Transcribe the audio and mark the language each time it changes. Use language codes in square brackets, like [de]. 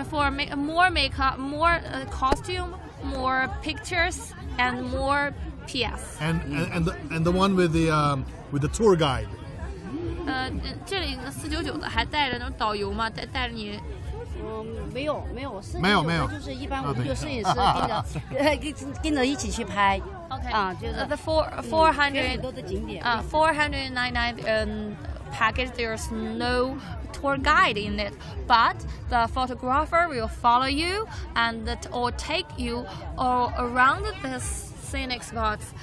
[en] For more makeup, more costume, more pictures, and more PS. And the one with the tour guide. [zh] 这里499的还带着那种导游吗？带着你。没有，就是一般我们就摄影师跟着一起去拍。 [en] Okay. The $499 package, there's no tour guide in it, but the photographer will follow you and or take you all around this scenic spots.